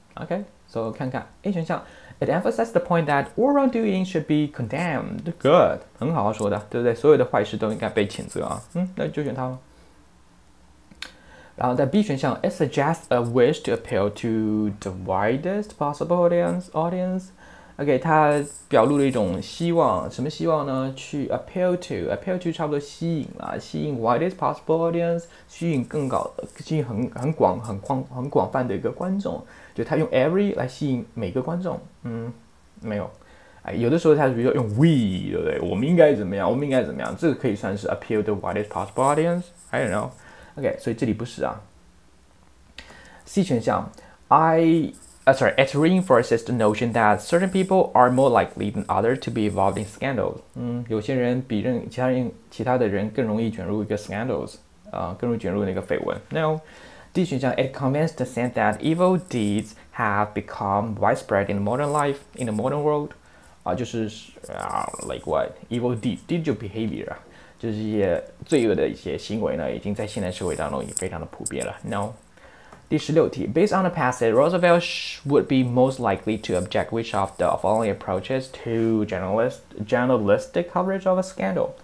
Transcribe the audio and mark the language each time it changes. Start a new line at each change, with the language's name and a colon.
English: OK, so
Chinese: 看看 A 选项
English: It emphasizes the point that all wrongdoing should be condemned.
Chinese: Good, 很好说的，对不对？所有的坏事都应该被谴责啊。嗯，那就选它吧。然后在 B 选项
English: It suggests a wish to appeal to the widest possible audience.
Chinese: OK, 它表露了一种希望，什么希望呢？去 appeal to 差不多吸引了，吸引 widest possible audience, 吸引更高，吸引 很广泛的一个观众，就它用 every 来吸引每个观众。嗯，没有，哎，有的时候它比如说用 we, 对不对？我们应该怎么样，我们应该怎么样，这个可以算是
English: appeal to widest possible audience, I don't know.
Chinese: OK, 所以这里不是啊。
English: C 选项 It reinforces the notion that certain people are more likely than others to be involved in scandals.
Chinese: 有些人比其他的人更容易卷入一个 scandals, 更容易卷入那个绯闻。
English: No. D 选项 It conveys the sense that evil deeds have become widespread in modern life, in the modern world.
Chinese: 就是
English: like what? Evil deeds, deeds of behavior.
Chinese: 就是一些罪恶的一些行为呢，已经在现代社会当中已经非常的普遍了。
English: No.
Chinese: 第十六题
English: Based on the passage, Roosevelt would be most likely to object which of the following approaches to journalistic coverage of a scandal?